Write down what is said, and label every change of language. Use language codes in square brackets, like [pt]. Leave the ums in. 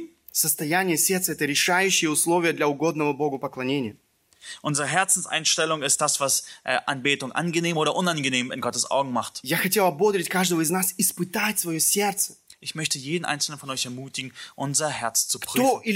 [ru] Состояние сердца – это решающие условия для угодного Богу поклонения. [de] Unsere Herzenseinstellung ist das, was äh, Anbetung angenehm oder unangenehm in Gottes Augen macht. [ru] Я хотел ободрить каждого из нас испытать свое сердце. [de] Ich möchte jeden einzelnen von euch ermutigen, unser Herz zu prüfen.